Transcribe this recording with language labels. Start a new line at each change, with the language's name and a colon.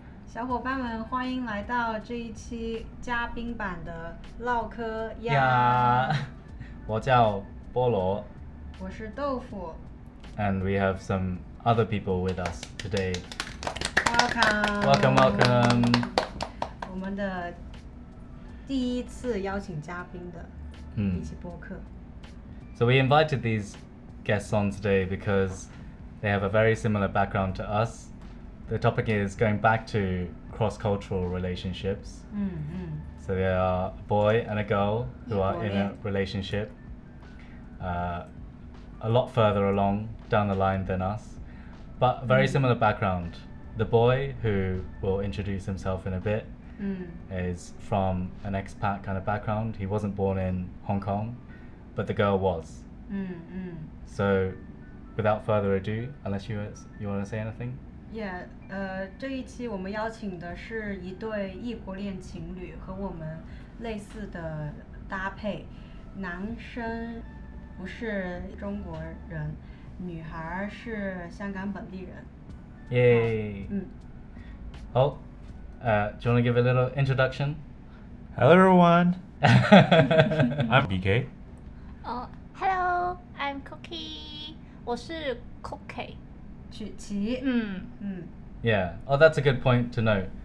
Chinese: 小伙伴们，欢迎来到这一期嘉宾版的唠嗑呀。我叫菠萝。我是豆腐。
English: And we have some other people with us today. Welcome. Welcome, welcome.
Chinese: 我们的第一次邀请嘉宾的一期播客。
English: So we invited these guests on today because they have a very similar background to us. The topic is going back to cross-cultural relationships. Mm-hmm. So they are a boy and a girl who are in a relationship. A lot further along down the line than us, but very similar background. The boy, who will introduce himself in a bit, is from an expat kind of background. He wasn't born in Hong Kong, but the girl was. So without further ado, unless you want to say anything?
Chinese: Yeah, 这一期我们邀请的是一对异国恋情侣和我们类似的搭配，男生不是中国人，女孩是香港本地人。 Yay! 嗯。
English: 好，do you want to give a little introduction? Hello everyone! I'm BK. Hello, I'm Cookie.
Chinese: 我是 Cookie. 曲奇。
English: Yeah, oh that's a good point to note.